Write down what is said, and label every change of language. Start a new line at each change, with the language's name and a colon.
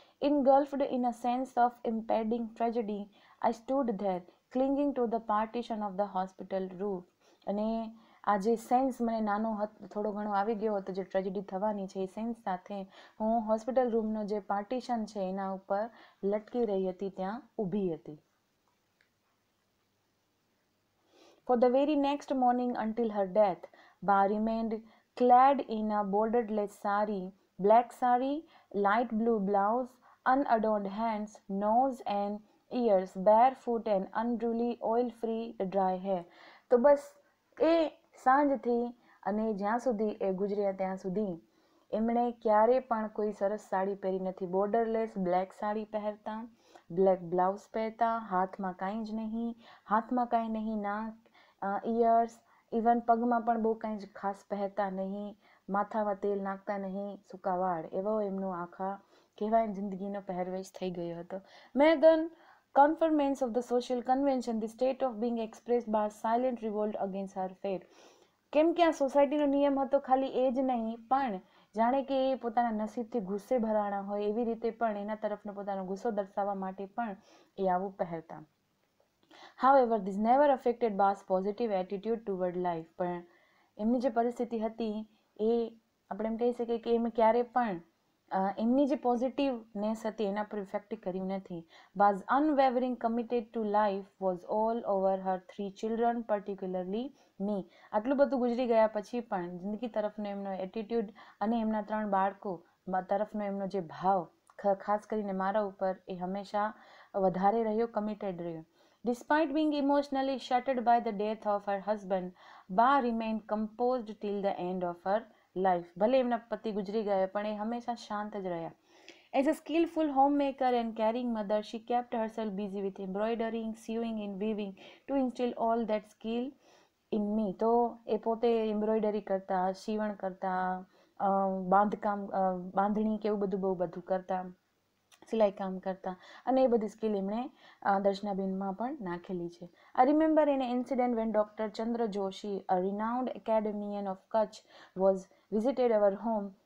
English: Engulfed in a sense of impending tragedy, I stood there clinging to the partition of the hospital roof.
Gujarati: અને આ જે sense મને નાનો થોડો ઘણો આવી ગયો હતો જે ટ્રેજેડી થવાની છે, એ સેન્સ સાથે હું હોસ્પિટલ રૂમનો જે પાર્ટીશન છે એના ઉપર લટકી રહી હતી, ત્યાં ઊભી હતી.
English: For the very next morning until her death, Ba remained clad in a borderless sari, black sari, light blue blouse, unadorned hands, nose and ears, barefoot and unruly, oil-free, dry hair.
Gujarati: તો બસ એ સાંજથી અને જ્યાં સુધી એ ગુજર્યા ત્યાં સુધી એમણે ક્યારે પણ કોઈ સરસ સાડી પહેરી નથી. બોર્ડરલેસ બ્લેક સાડી પહેરતા, બ્લેક બ્લાઉઝ પહેરતા, હાથમાં કાંઈ જ નહીં, હાથમાં કાંઈ નહીં, નાક, ઇયર્સ, ઇવન પગમાં પણ બહુ કંઈ જ ખાસ પહેરતા નહીં, માથામાં તેલ નાખતા નહીં, સૂકા વાળ, એવો એમનો આખા કહેવાય જિંદગીનો પહેરવેશ થઈ ગયો હતો.
English: May then conformance of the social convention, the state of being express by silent revolt against her fare.
Gujarati: કેમ કે આ સોસાયટીનો નિયમ હતો, ખાલી એ જ નહીં પણ જાણે કે એ પોતાના નસીબથી ગુસ્સે ભરાણા હોય એવી રીતે પણ એના તરફનો પોતાનો ગુસ્સો દર્શાવવા માટે પણ એ આવું પહેરતા.
English: However, this never affected Ba's positive attitude toward life.
Gujarati: પણ એમની જે પરિસ્થિતિ હતી એ આપણે એમ કહી શકીએ કે એમ ક્યારે પણ એમની જે પોઝિટિવનેસ હતી એના પર ઇફેક્ટ કર્યું નથી.
English: Ba's unwavering committed to life was all over her three children, particularly me.
Gujarati: આટલું બધું ગુજરી ગયા પછી પણ જિંદગી તરફનો એમનો એટીટ્યુડ અને એમના ત્રણ બાળકો તરફનો એમનો જે ભાવ, ખાસ કરીને મારા ઉપર, એ હંમેશા વધારે રહ્યો, કમિટેડ રહ્યો.
English: Despite being emotionally shattered by the death of her husband, Ba remained composed till the end of her life.
Gujarati: Bhale emna pati guzri gaya pan e hamesha shant j rahya.
English: As a skillful homemaker and caring mother, she kept herself busy with embroidering, sewing and weaving to instill all that skill in me.
Gujarati: To e pote embroidery karta, shivan karta, બાંધકામ બાંધણી કે એવું બધું બહુ બધું કરતા, સિલાઈ કામ કરતા, અને એ બધી સ્કિલ એમણે દર્શનાબેનમાં પણ નાખેલી છે.
English: I remember an incident when doctor Chandra Joshi, a renowned academician of Kutch, was visited our home.